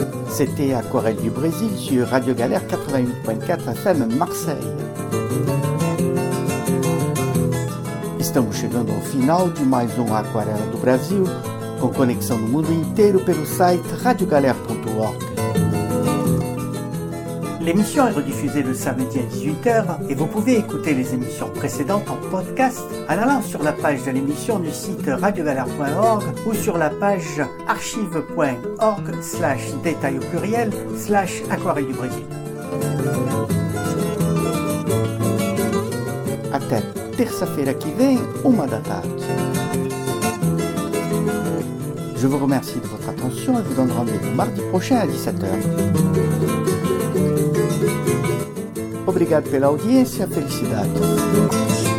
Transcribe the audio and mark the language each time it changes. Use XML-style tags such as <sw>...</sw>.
<fr>C'était Aquarelle du Brésil sur Radio Galère 88.4 FM Marseille.</fr> <pt>Estamos chegando ao final de mais um Aquarela do Brasil, com conexão no mundo inteiro pelo site radiogalère.org.</pt> <fr>L'émission est rediffusée le samedi à 18h et vous pouvez écouter les émissions précédentes en podcast en allant sur la page de l'émission du site radiogalère.org ou sur la page archive.org/détails/aquarelle du Brésil.</fr> <pt>Até terça-feira que vem, 1 da tarde.</pt> <fr>Je vous remercie de votre attention et vous donne rendez-vous mardi prochain à 17h.</fr> <pt>Obrigado pela audiência. Felicidades.</pt>